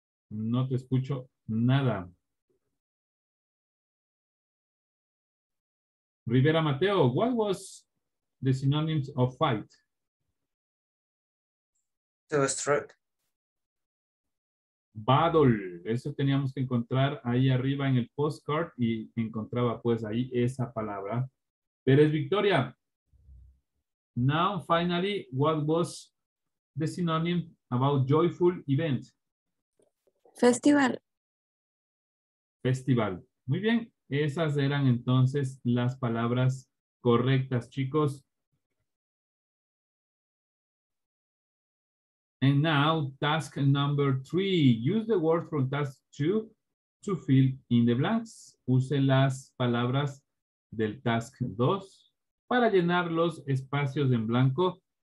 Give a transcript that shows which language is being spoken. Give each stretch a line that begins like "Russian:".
Spanish: No te escucho nada.
English: Rivera Mateo, what was the synonyms of fight? To a stroke.
Spanish: Battle, eso teníamos que encontrar ahí arriba en el postcard y encontraba pues ahí esa palabra. Pérez Victoria.
English: Now, finally, what was the synonym about joyful event? Festival. Festival.
Spanish: Muy bien, esas eran entonces las palabras correctas, chicos.
English: And now, task number three. Use the word from task two to fill in the blanks.
Spanish: Use las palabras del task dos para llenar los espacios en blanco.